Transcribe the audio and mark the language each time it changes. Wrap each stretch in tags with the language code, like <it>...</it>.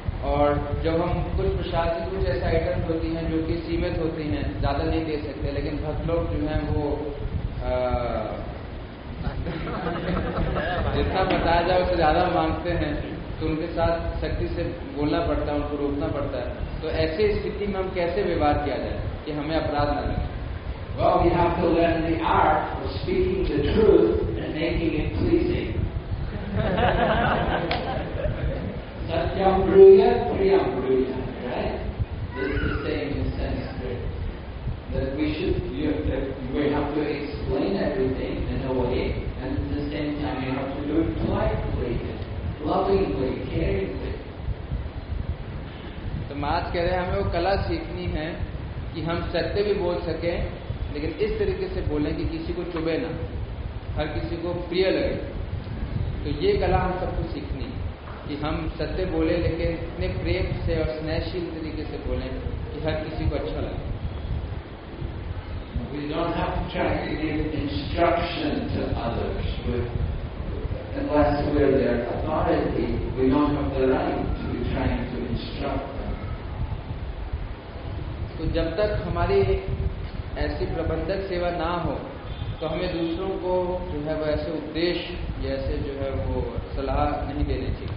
<hi>और जब हम कुछ प्रसाद की कुछ ऐसे आइटम होती हैं जो कि सीमित होती हैं ज़्यादा नहीं दे सकते लेकिन भक्त लोग जो हैं वो जितना बताया जाए उससे ज़्यादा मांगते हैं तो उनके साथ शक्ति से बोलना पड़ता है उनको रोकना पड़ता है तो ऐसे स्थिति में हम कैसे व्यवहार किया जाए कि हमें अपराध ना लगे</hi> <en>Well, we have to learn the art of speaking the truth and making it pleasing.</en> <sa>Satyam Bruyat Priyam Bruyat,</sa> <en>right? This is the saying in Sanskrit. That we should, we have to explain everything in a way, and at the same time, you have to do it politely, lovingly, caringly.</en> <hi>So, Maharaj keh rahe hain, hame wo kala seekhni hai ki hum satya bhi bol sakein. लेकिन इस तरीके से बोलें कि किसी को चुभे ना हर किसी को प्रिय लगे तो ये कला हम सबको सीखनी कि हम सत्य बोले लेकिन इतने प्रेम से और स्नेहशील तरीके से बोलें कि हर किसी को अच्छा लगे</hi> <en>We don't have to try to give instruction to others but unless we are their authority we don't have the right to be trying to instruct them</en> <hi>तो जब तक हमारे ऐसी प्रबंधक सेवा ना हो तो हमें दूसरों को जो है वो ऐसे उपदेश या ऐसे जो है वो सलाह नहीं देनी</hi>